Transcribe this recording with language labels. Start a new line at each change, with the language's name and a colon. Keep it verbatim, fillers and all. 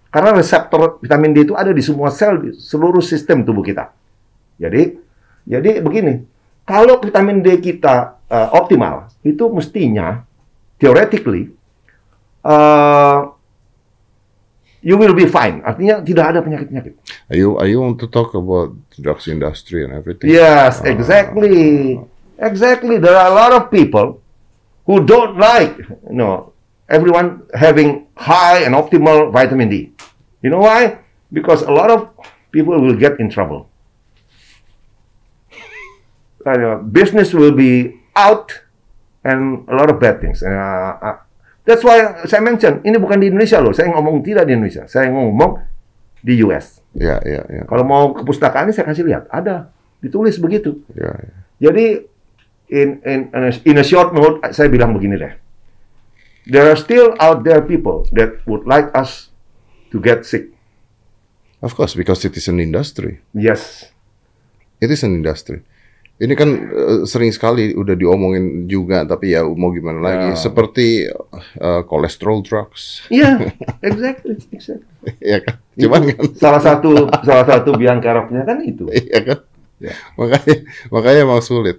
Indonesian: Karena reseptor vitamin D itu ada di semua sel, di seluruh sistem tubuh kita. Jadi, jadi begini, kalau vitamin D kita uh, optimal, itu mestinya,
English: theoretically, uh, you will be fine.
Indonesian: Artinya tidak ada penyakit-penyakit.
English: Are you, are you want to talk about drugs industry and everything? Yes, exactly. Uh, exactly. There are a lot of people who don't like, you know, everyone having high and optimal vitamin D. You know why? Because a lot of people will get in trouble. Uh, business will be out and a lot of bad things. Uh, uh, that's why
Indonesian: saya mention, ini bukan di Indonesia loh. Saya ngomong tidak di Indonesia. Saya ngomong di U S. Ya, yeah, ya, yeah, ya. Yeah. Kalau mau ke pustakaannya saya kasih lihat. Ada. Ditulis begitu. Yeah, yeah. Jadi,
English: in, in, in a short note,
Indonesian: saya bilang begini deh.
English: There are still out there people that would like us to get sick. Of course, because it is an industry. Yes. It is an industry.
Indonesian: Ini kan uh, sering sekali udah diomongin juga, tapi ya mau gimana lagi. Yeah. Seperti uh, cholesterol drugs.
English: Yeah, exactly, exactly.
Indonesian: Iya kan? Cuman kan. Salah satu, salah satu biang keroknya kan itu. Iya kan? Ya. Makanya, makanya emang sulit.